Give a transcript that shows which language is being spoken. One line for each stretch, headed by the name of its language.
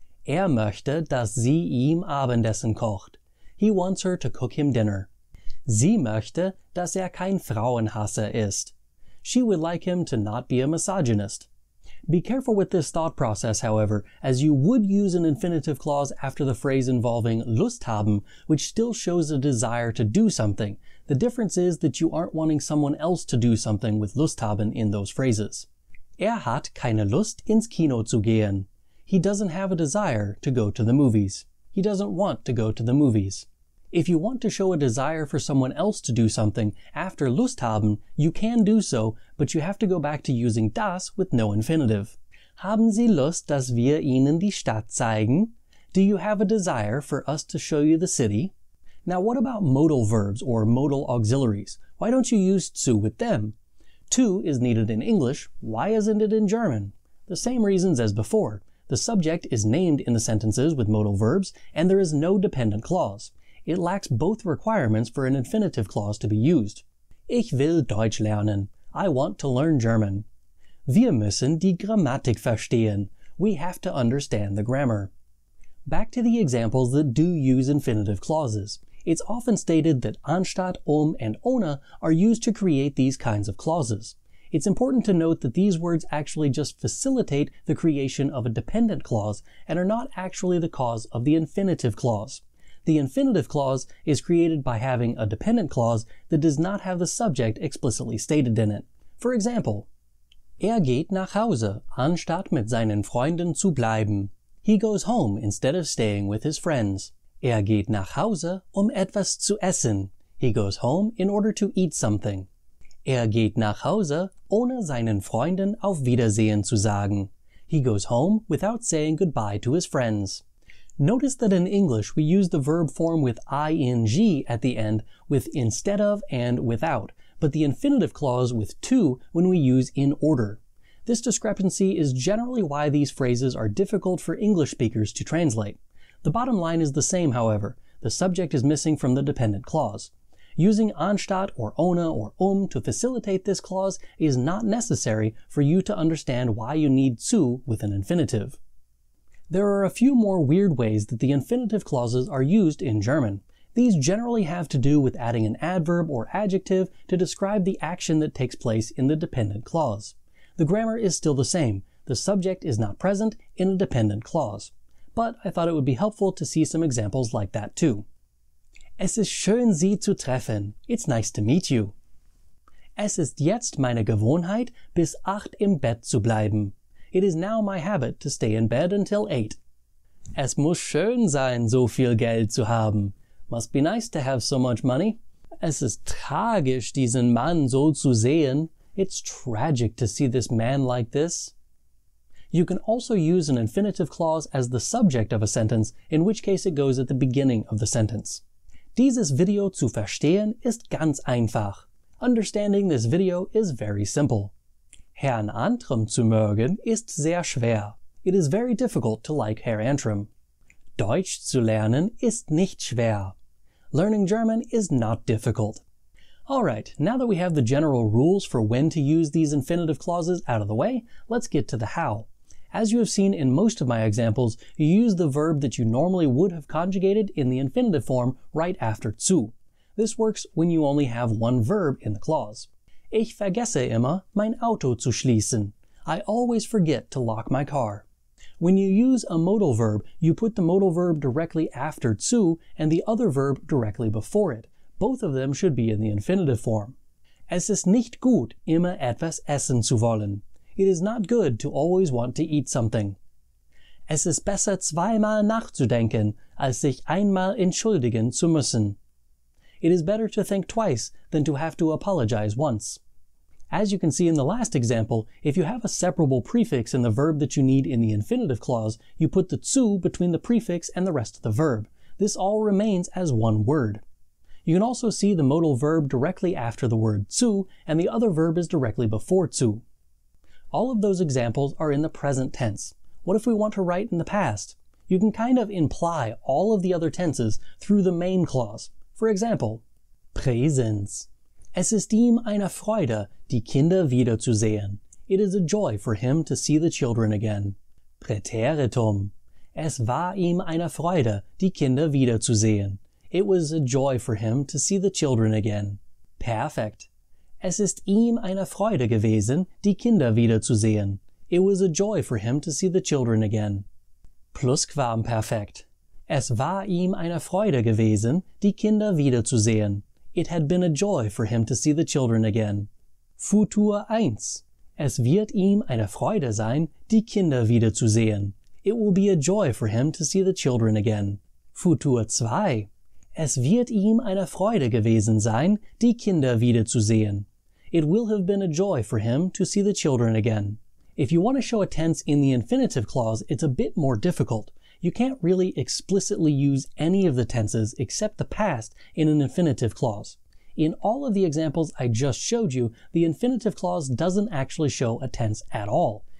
German: Möchte, dass sie ihm Abendessen kocht.
English: He wants her to cook him dinner.
German: Sie möchte, dass kein Frauenhasser ist.
English: She would like him to not be a misogynist. Be careful with this thought process, however, as you would use an infinitive clause after the phrase involving Lust haben, which still shows a desire to do something. The difference is that you aren't wanting someone else to do something with Lust haben in those phrases.
German: Hat keine Lust, ins Kino zu gehen.
English: He doesn't have a desire to go to the movies. He doesn't want to go to the movies. If you want to show a desire for someone else to do something after Lust haben, you can do so, but you have to go back to using das with no infinitive.
German: Haben Sie Lust, dass wir Ihnen die Stadt zeigen?
English: Do you have a desire for us to show you the city? Now what about modal verbs or modal auxiliaries? Why don't you use zu with them? Zu is needed in English. Why isn't it in German? The same reasons as before. The subject is named in the sentences with modal verbs, and there is no dependent clause. It lacks both requirements for an infinitive clause to be used.
German: Ich will Deutsch lernen.
English: I want to learn German.
German: Wir müssen die Grammatik verstehen.
English: We have to understand the grammar. Back to the examples that do use infinitive clauses. It's often stated that anstatt, and ohne are used to create these kinds of clauses. It's important to note that these words actually just facilitate the creation of a dependent clause and are not actually the cause of the infinitive clause. The infinitive clause is created by having a dependent clause that does not have the subject explicitly stated in it. For example,
German: geht nach Hause, anstatt mit seinen Freunden zu bleiben.
English: He goes home instead of staying with his friends.
German: Geht nach Hause, etwas zu essen.
English: He goes home in order to eat something.
German: Geht nach Hause, ohne seinen Freunden auf Wiedersehen zu sagen.
English: He goes home without saying goodbye to his friends. Notice that in English we use the verb form with ing at the end with instead of and without, but the infinitive clause with to when we use in order. This discrepancy is generally why these phrases are difficult for English speakers to translate. The bottom line is the same, however. The subject is missing from the dependent clause. Using anstatt or ohne or to facilitate this clause is not necessary for you to understand why you need zu with an infinitive. There are a few more weird ways that the infinitive clauses are used in German. These generally have to do with adding an adverb or adjective to describe the action that takes place in the dependent clause. The grammar is still the same. The subject is not present in a dependent clause. But I thought it would be helpful to see some examples like that too.
German: Es ist schön, Sie zu treffen.
English: It's nice to meet you.
German: Es ist jetzt meine Gewohnheit, bis 8 im Bett zu bleiben.
English: It is now my habit to stay in bed until 8.
German: Es muss schön sein, so viel Geld zu haben.
English: Must be nice to have so much money.
German: Es ist tragisch, diesen Mann so zu sehen.
English: It's tragic to see this man like this. You can also use an infinitive clause as the subject of a sentence, in which case it goes at the beginning of the sentence.
German: Dieses Video zu verstehen ist ganz einfach.
English: Understanding this video is very simple.
German: Herrn Antrim zu mögen ist sehr schwer.
English: It is very difficult to like Herr Antrim.
German: Deutsch zu lernen ist nicht schwer.
English: Learning German is not difficult. Alright, now that we have the general rules for when to use these infinitive clauses out of the way, let's get to the how. As you have seen in most of my examples, you use the verb that you normally would have conjugated in the infinitive form right after zu. This works when you only have one verb in the clause.
German: Ich vergesse immer, mein Auto zu schließen.
English: I always forget to lock my car. When you use a modal verb, you put the modal verb directly after zu and the other verb directly before it. Both of them should be in the infinitive form.
German: Es ist nicht gut, immer etwas essen zu wollen.
English: It is not good to always want to eat something.
German: Es ist besser zweimal nachzudenken, als sich einmal entschuldigen zu müssen.
English: It is better to think twice than to have to apologize once. As you can see in the last example, if you have a separable prefix in the verb that you need in the infinitive clause, you put the zu between the prefix and the rest of the verb. This all remains as one word. You can also see the modal verb directly after the word zu, and the other verb is directly before zu. All of those examples are in the present tense. What if we want to write in the past? You can kind of imply all of the other tenses through the main clause. For example, Präsens.
German: Es ist ihm eine Freude, die Kinder wiederzusehen.
English: It is a joy for him to see the children again. Präteritum.
German: Es war ihm eine Freude, die Kinder wiederzusehen.
English: It was a joy for him to see the children again. Perfekt.
German: Es ist ihm eine Freude gewesen, die Kinder wiederzusehen.
English: It was a joy for him to see the children again. Plusquamperfekt.
German: Es war ihm eine Freude gewesen, die Kinder wiederzusehen.
English: It had been a joy for him to see the children again.
German: Futur 1. Es wird ihm eine Freude sein, die Kinder wiederzusehen.
English: It will be a joy for him to see the children again. Futur 2.
German: Es wird ihm eine Freude gewesen sein, die Kinder wiederzusehen.
English: It will have been a joy for him to see the children again. If you want to show a tense in the infinitive clause, it's a bit more difficult. You can't really explicitly use any of the tenses except the past in an infinitive clause. In all of the examples I just showed you, the infinitive clause doesn't actually show a tense at all.